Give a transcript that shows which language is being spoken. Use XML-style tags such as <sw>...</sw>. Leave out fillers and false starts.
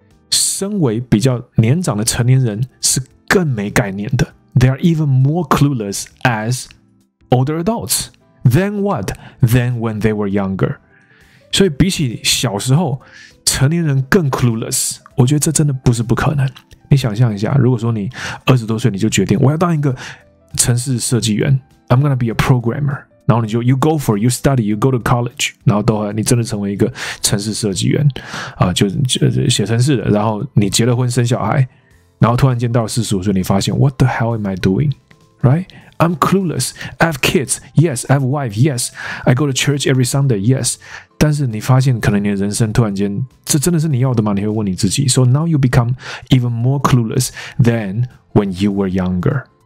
<zh>身为比较年长的成年人是更没概念的。</zh> <en>They are even more clueless as older adults. Than what? Than when they were younger.</en> <zh>所以比起小时候，成年人更 clueless， 我觉得这真的不是不可能。你想象一下，如果说你20多岁你就决定我要当一个程式设计员 ，</zh> <en>I'm gonna be a programmer，</en> <zh>然后你就</zh> <en>you go for it, you study, you go to college，</en> <zh>然后到后来你真的成为一个程式设计员，写程式的，然后你结了婚生小孩，然后突然间到45岁，你发现</zh> <en>what the hell am I doing？ Right？ I'm clueless. I have kids. Yes. I have wife. Yes. I go to church every Sunday. Yes.</en> <zh>但是你发现可能你的人生突然间，这真的是你要的吗？你会问你自己。</zh> <en>So now you become even more clueless than when you were younger.</en>